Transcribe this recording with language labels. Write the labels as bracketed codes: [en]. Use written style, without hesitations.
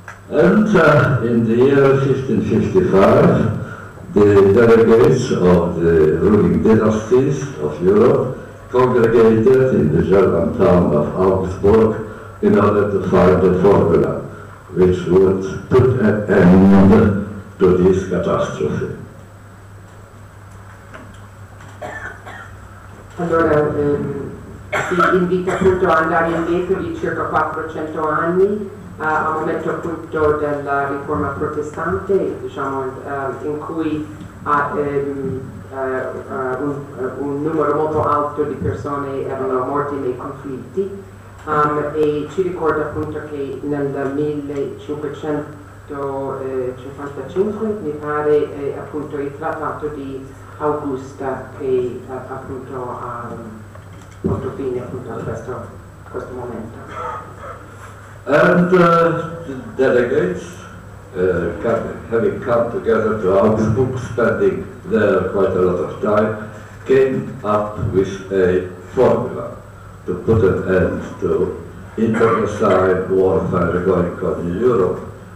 [en] And in the year 1555, the delegates of the ruling dynasties of Europe congregated in the German town of Augsburg in order to find a formula which would put an end to this catastrophe. [it] Allora, si invita appunto a andare indietro di circa 400 anni, al momento appunto della riforma protestante, diciamo, in cui un numero molto alto di persone erano morti nei conflitti. E ci ricorda appunto che nel 1555, mi pare, appunto il Trattato di Augusta che appunto ha fatto fine appunto a questo momento. [en] And the delegates, having come together to Augsburg, spending there quite a lot of time, came up with a formula to put an end to internecine warfare going on in Europe.